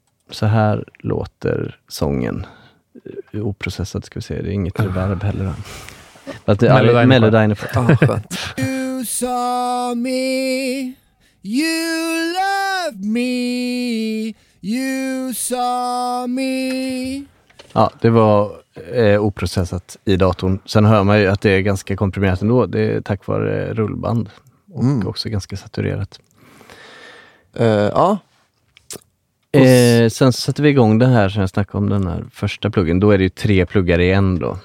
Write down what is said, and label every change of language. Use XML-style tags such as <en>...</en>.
<sv>Så här låter sången. Oprocessat ska vi se. Det är inget reverb heller då. Melodyne.</sv> <en>You saw me, you loved me, you saw me.</en> <sv>Ja, det var oprocessat i datorn. Sen hör man ju att det är ganska komprimerat ändå. Det är tack vare rullband och också ganska saturerat. Ja. Sen så sätter vi igång det här, så jag snackar om den här första pluggen. Då är det ju tre pluggar igen då.</sv>